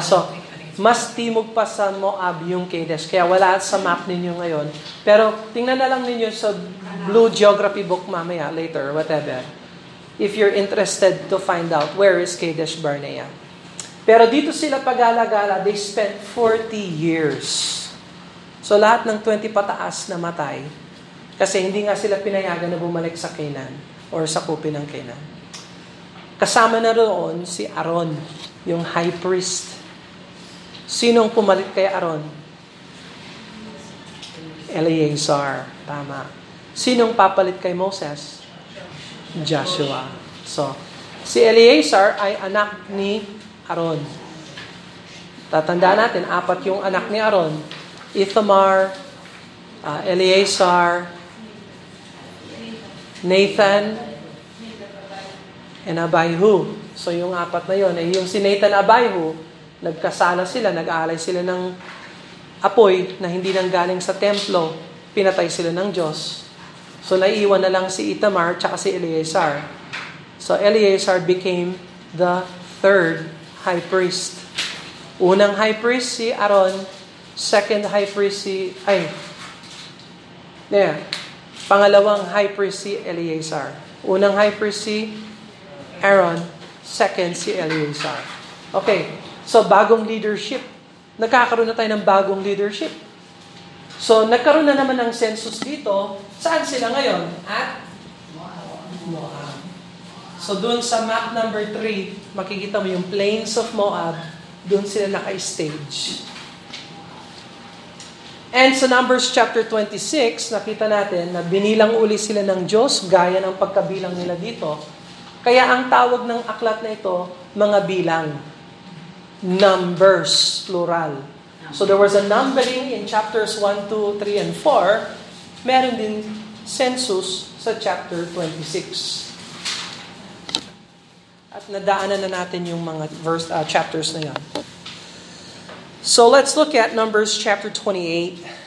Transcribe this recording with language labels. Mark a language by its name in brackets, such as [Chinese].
[Filipino] So, mas timog pa sa Moab yung Kadesh. Kaya wala sa map ninyo ngayon. Pero tingnan na lang ninyo sa Blue Geography book mamaya, later, whatever. [English] If you're interested to find out where is Kadesh Barnea. [Filipino] Pero dito sila pag-alagala, [English] they spent 40 years. [Filipino] So lahat ng 20 pataas na matay kasi hindi nga sila pinayagan na bumalik sa Canaan or sa kupin ng Canaan. Kasama na roon si Aaron, yung high priest. Sinong pumalik kay Aaron? Eleazar, tama. Sinong papalit kay Moses? Joshua. So, si Eleazar ay anak ni Aaron. Tatandaan natin, apat yung anak ni Aaron. Ithamar, Eleazar, Nathan, and Abihu. So yung apat na yun, yung si Nathan Abihu, nagkasala sila, nag-aalay sila ng apoy na hindi nang galing sa templo, pinatay sila ng Diyos. So naiiwan na lang si Ithamar tsaka si Eleazar. [English] So Eleazar became the third high priest. [Filipino] Unang high priest si Aaron, second high priest si... Ay, there. Pangalawang high priest si Eleazar. Unang high priest si Aaron, second si Eleazar. Okay, so bagong leadership. Nagkakaroon na tayo ng bagong leadership. So nagkaroon na naman ng census dito. Saan sila ngayon? At Moab. So doon sa map number 3, makikita mo yung plains of Moab. Doon sila naka-stage. And sa Numbers chapter 26, nakita natin na binilang uli sila ng Diyos gaya ng pagkabilang nila dito. Kaya ang tawag ng aklat na ito, mga bilang. Numbers, plural. [English] So there was a numbering in chapters 1, 2, 3, and 4. [Filipino] Meron din census sa chapter 26. At nadaanan na natin yung mga verse, chapters na yan. [English] So let's look at Numbers chapter 28.